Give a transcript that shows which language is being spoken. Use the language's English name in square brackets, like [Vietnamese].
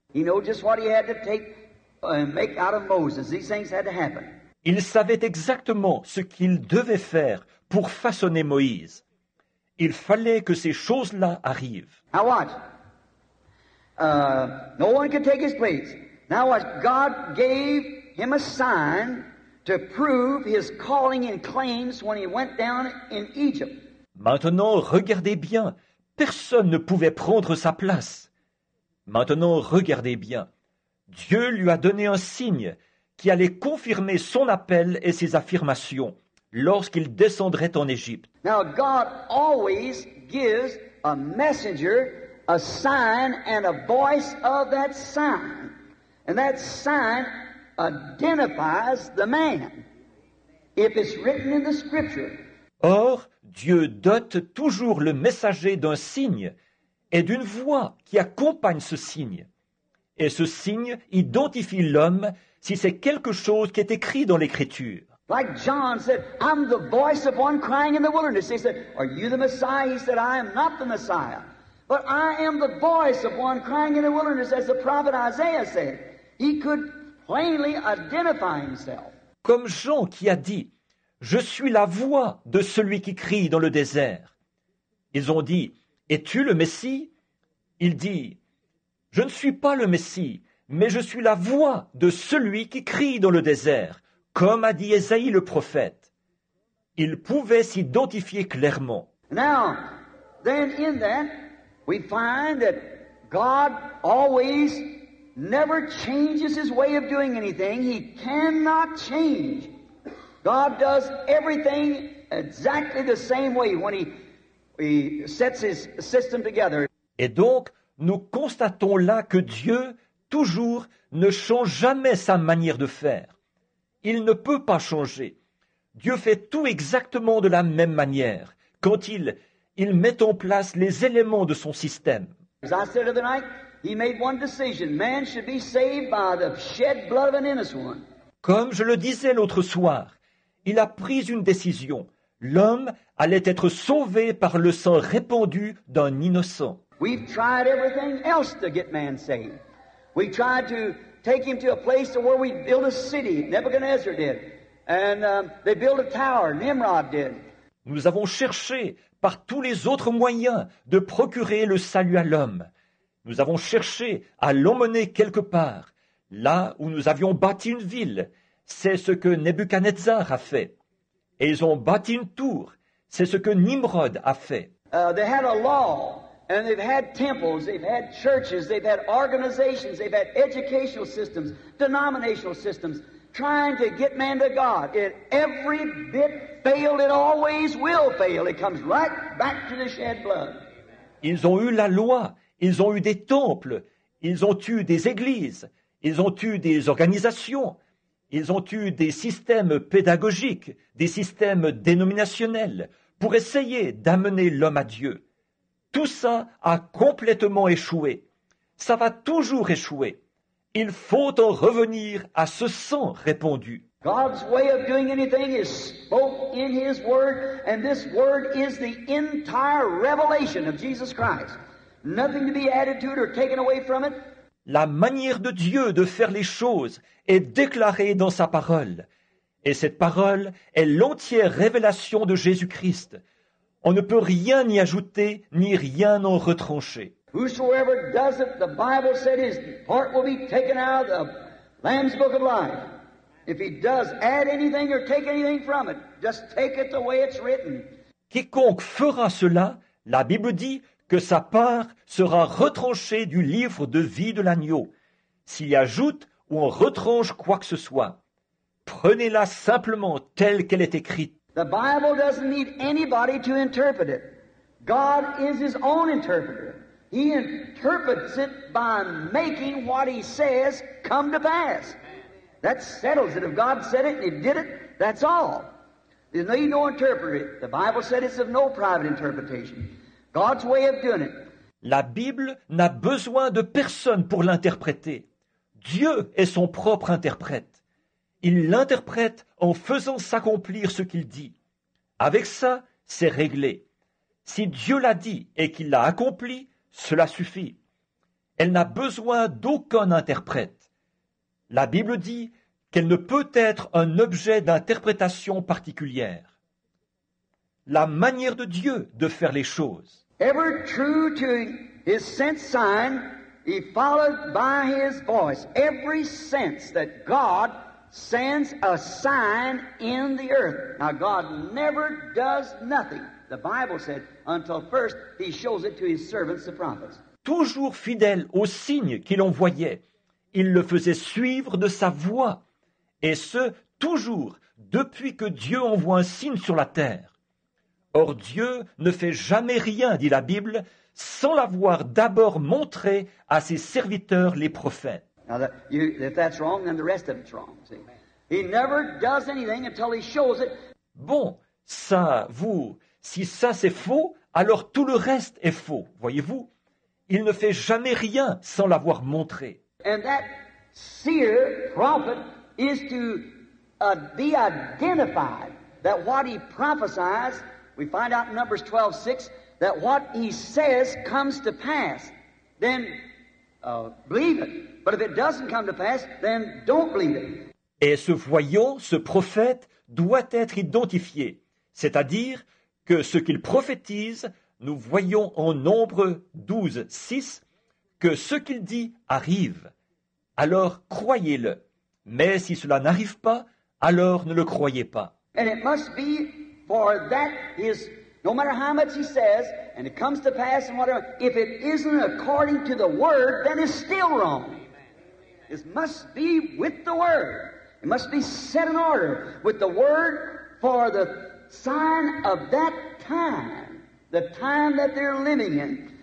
[English] He knows just what he had to take and make out of Moses. These things had to happen. [French] Il savait exactement ce qu'il devait faire pour façonner Moïse. Il fallait que ces choses-là arrivent. [English] Now watch. No one can take his place. Now watch. God gave him a sign to prove his calling and claims when he went down in Egypt. [French] Maintenant, regardez bien. Personne ne pouvait prendre sa place. Maintenant, regardez bien. Dieu lui a donné un signe qui allait confirmer son appel et ses affirmations lorsqu'il descendrait en Égypte. [English] Now God always gives a messenger a sign and a voice of that sign. And that sign identifies the man. If it's written in the scripture. [French] Or, Dieu dote toujours le messager d'un signe et d'une voix qui accompagne ce signe. Et ce signe identifie l'homme si c'est quelque chose qui est écrit dans l'Écriture. [English] Like John said, I'm the voice of one crying in the wilderness. He said, are you the Messiah? He said, I am not the Messiah. But I am the voice of one crying in the wilderness, as the prophet Isaiah said. He could plainly identify himself. [French] Comme Jean qui a dit, je suis la voix de celui qui crie dans le désert. Ils ont dit, es-tu le Messie? Il dit, je ne suis pas le Messie, mais je suis la voix de celui qui crie dans le désert, comme a dit Esaïe le prophète. Il pouvait s'identifier clairement. [English] Now, then in that, we find that God always never changes his way of doing anything. He cannot change. God does everything exactly the same way when he sets his system together. [French] Et donc, nous constatons là que Dieu, toujours, ne change jamais sa manière de faire. Il ne peut pas changer. Dieu fait tout exactement de la même manière quand il met en place les éléments de son système. [English] As I said the night, he made one decision. Man should be saved by the shed blood of an innocent one. [French] Comme je le disais l'autre soir, il a pris une décision. L'homme allait être sauvé par le sang répandu d'un innocent. [English] We've tried everything else to get man saved. We tried to take him to a place to where we built a city. Nebuchadnezzar did. And they built a tower. Nimrod did. [French] Nous avons cherché par tous les autres moyens de procurer le salut à l'homme. Nous avons cherché à l'emmener quelque part, là où nous avions bâti une ville. C'est ce que Nebuchadnezzar a fait. Et ils ont bâti une tour. C'est ce que Nimrod a fait. [English] They had a law. And they've had temples, they've had churches, they've had organizations, they've had educational systems, denominational systems, trying to get man to God. It every bit failed, it always will fail. It comes right back to the shed blood. [French] Ils ont eu la loi, ils ont eu des temples, ils ont eu des églises, ils ont eu des organisations, ils ont eu des systèmes pédagogiques, des systèmes dénominationnels pour essayer d'amener l'homme à Dieu. Tout ça a complètement échoué. Ça va toujours échouer. Il faut en revenir à ce sang répandu. [English] God's way of doing anything is spoke in his word, and this word is the entire revelation of Jesus Christ. Nothing to be added to it or taken away from it. [French] La manière de Dieu de faire les choses est déclarée dans sa parole. Et cette parole est l'entière révélation de Jésus-Christ. On ne peut rien y ajouter, ni rien en retrancher. [English] Whosoever does it, the Bible said his heart will be taken out of the Lamb's Book of Life. If he does add anything or take anything from it, just take it the way it's written. [French] Quiconque fera cela, la Bible dit que sa part sera retranchée du livre de vie de l'agneau. S'il ajoute ou en retranche quoi que ce soit, prenez-la simplement telle qu'elle est écrite. [English] The Bible doesn't need anybody to interpret it. God is his own interpreter. He interprets it by making what he says come to pass. That settles it. If God said it and he did it, that's all. There's no need to interpret it. The Bible said it's of no private interpretation. God's way of doing it. [French] La Bible n'a besoin de personne pour l'interpréter. Dieu est son propre interprète. Il l'interprète en faisant s'accomplir ce qu'il dit. Avec ça, c'est réglé. Si Dieu l'a dit et qu'il l'a accompli, cela suffit. Elle n'a besoin d'aucun interprète. La Bible dit qu'elle ne peut être un objet d'interprétation particulière. La manière de Dieu de faire les choses. [English] Ever true to his sense sign, he followed by his voice. Every sense that God sends a sign in the earth. Now God never does nothing, the Bible said, until first he shows it to his servants, the prophets. [French] Toujours fidèle aux signes qu'il envoyait, il le faisait suivre de sa voix, et ce, toujours, depuis que Dieu envoie un signe sur la terre. Or Dieu ne fait jamais rien, dit la Bible, sans l'avoir d'abord montré à ses serviteurs, les prophètes. [English] Now, if that's wrong, then the rest of it's wrong. See, he never does anything until he shows it. [French] Bon, ça, vous, si ça c'est faux, alors tout le reste est faux, voyez-vous. Il ne fait jamais rien sans l'avoir montré. [English] And that seer, prophet, is to be identified that what he prophesies, we find out in Numbers 12:6, that what he says comes to pass. Then believe it. But if it doesn't come to pass, then don't believe it. [French] Et ce voyant, ce prophète, doit être identifié. C'est-à-dire que ce qu'il prophétise, nous voyons en Nombre 12, 6, que ce qu'il dit arrive. Alors croyez-le. Mais si cela n'arrive pas, alors ne le croyez pas. [English] And it must be for that is, no matter how much he says, and it comes to pass, and whatever, if it isn't according to the word, then it's still wrong. is must be with the Word. It must be set in order with the Word for the sign of that time, the time that they're living in.